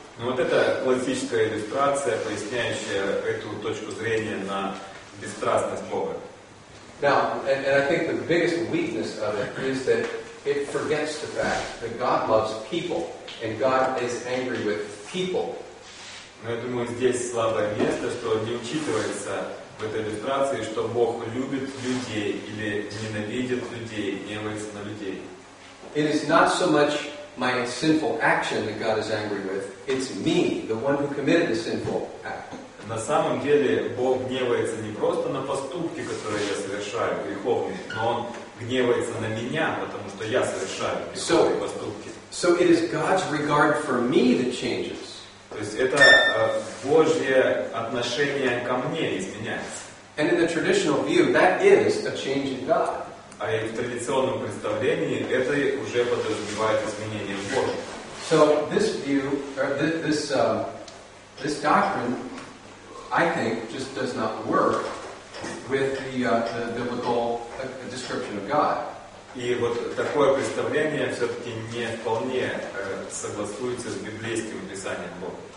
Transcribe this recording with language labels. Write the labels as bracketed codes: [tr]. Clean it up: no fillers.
[ru] Ну вот это классическая иллюстрация, поясняющая эту точку зрения на бесстрастность Бога. [en] Now, and I think the biggest weakness of it is that it forgets the fact that God loves people and God is angry with people. [ru] Но я думаю, здесь слабое место, что не учитывается в этой иллюстрации, что Бог любит людей или ненавидит людей, гневается на людей. [en] It is not so much my sinful action that God is angry with, it's me, the one who committed the sinful act. [ru] На самом деле, Бог гневается не просто на поступки, которые я совершаю, греховные, но Он гневается на меня, потому что я совершаю греховные поступки. [en] So it is God's regard for me that changes. [ru] То есть это Божье отношение ко мне изменяется. [en] And in the traditional view, that is a change in God. [ru] А и в традиционном представлении это уже подразумевает изменение в Боге. [en] So this view, or this doctrine, I think, just does not work with the biblical description of God. [ru] И вот такое представление все-таки не вполне согласуется с библейским описанием Бога.